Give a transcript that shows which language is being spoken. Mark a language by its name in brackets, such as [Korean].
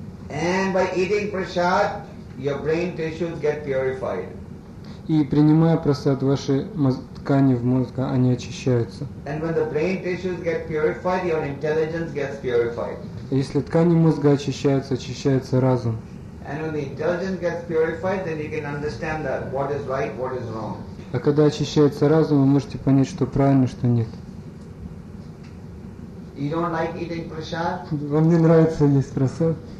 [English] And by eating prasad, your brain tissues get purified. [Russian] И принимая прасад, ваши ткани в мозге, они очищаются. [English] And when the brain tissues get purified, your intelligence gets purified. [Russian] Если ткани мозга очищаются, очищается разум. [English] And when the intelligence gets purified, then you can understand that what is right, what is wrong. [Russian] А когда очищается разум, вы можете понять, что правильно, что нет. [English] You don't like eating prasad? [Russian] Вам не нравится есть прасад?